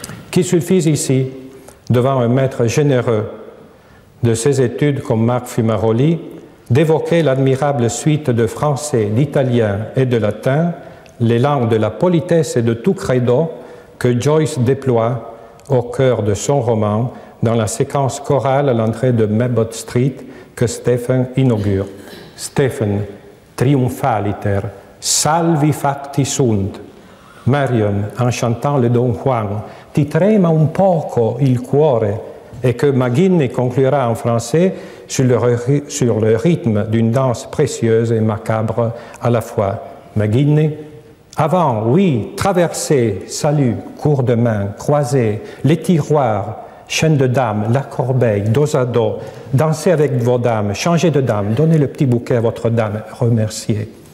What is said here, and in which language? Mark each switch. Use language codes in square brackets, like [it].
[fr] Qu'il suffise ici, devant un maître généreux de ses études comme Marc Fumaroli, d'évoquer l'admirable suite de français, d'italien et de latin, les langues de la politesse et de tout credo que Joyce déploie au cœur de son roman dans la séquence chorale à l'entrée de Mabot Street que Stephen inaugure. Stephen, [la] triumphaliter, salvi facti sunt. [fr] Marion, en chantant le Don Juan, [it] ti trema un poco il cuore, [fr] et que Maginni conclura en français sur le rythme d'une danse précieuse et macabre à la fois. Maginni, avant, oui, traversez, salut, cours de main, croisez, les tiroirs, chaîne de dames, la corbeille, dos à dos, dansez avec vos dames, changez de dame, donnez le petit bouquet à votre dame, remerciez.